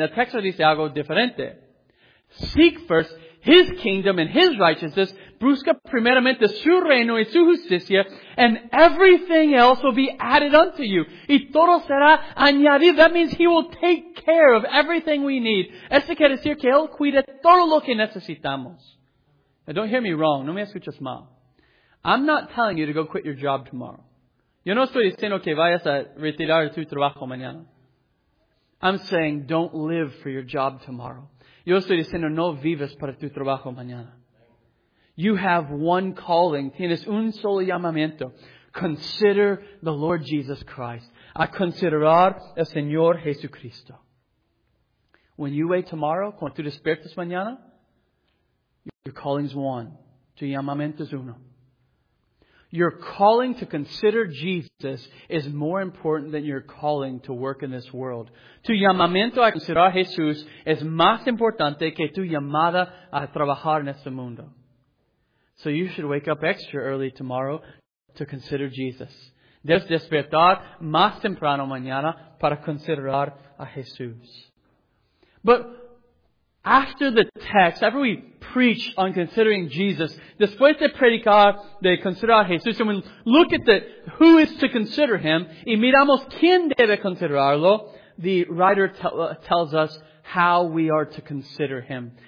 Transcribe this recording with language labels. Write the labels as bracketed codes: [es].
[en] The text [es] dice algo diferente. [en] Seek first His kingdom and His righteousness. [es] Busca primeramente su reino y su justicia. [en] And everything else will be added unto you. [es] Y todo será añadido. [en] That means He will take care of everything we need. [es] Eso quiere decir que Él cuida todo lo que necesitamos. [en] Now don't hear me wrong. [es] No me escuches mal. [en] I'm not telling you to go quit your job tomorrow. [es] Yo no estoy diciendo que vayas a retirar tu trabajo mañana. [en] I'm saying, don't live for your job tomorrow. [es] Yo estoy diciendo, no vives para tu trabajo mañana. [en] You have one calling. [es] Tienes un solo llamamiento. [en] Consider the Lord Jesus Christ. [es] A considerar el Señor Jesucristo. [en] When you wake tomorrow, [es] cuando tú despiertas mañana, [en] your calling is one. [es] Tu llamamiento es uno. [en] Your calling to consider Jesus is more important than your calling to work in this world. [es] Tu llamamiento a considerar a Jesús es más importante que tu llamada a trabajar en este mundo. [en] So you should wake up extra early tomorrow to consider Jesus. [es] Debes despertar más temprano mañana para considerar a Jesús. [en] But after the text, after we preach on considering Jesus, [es] después de predicar de considerar a Jesús, [en] and we look at the who is to consider Him, [es] y miramos quién debe considerarlo, [en] the writer tells us how we are to consider Him.